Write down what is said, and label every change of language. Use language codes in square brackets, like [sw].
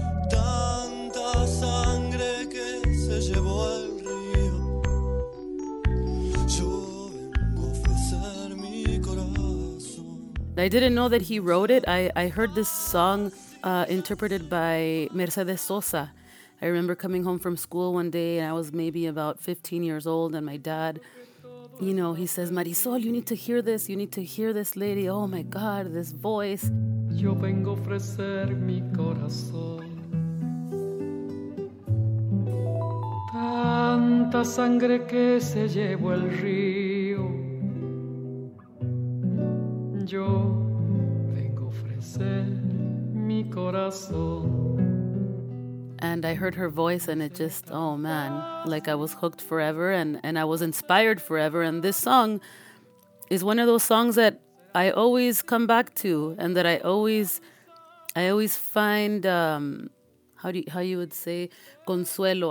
[es] Tanta sangre que se llevó al río. Yo vengo a ofrecer mi corazon. [en] I didn't know that he wrote it. I heard this song interpreted by Mercedes Sosa. I remember coming home from school one day, and I was maybe about 15 years old, and my dad, you know, he says, Marisoul, you need to hear this. You need to hear this lady. Oh, my God, this voice. [es] Yo vengo a ofrecer mi corazón. Tanta sangre que se llevó el río. Yo vengo a ofrecer mi corazón. [en] And I heard her voice, and it just, oh man, like I was hooked forever, and I was inspired forever. And this song is one of those songs that I always come back to, and that I always find, how you would say, consuelo.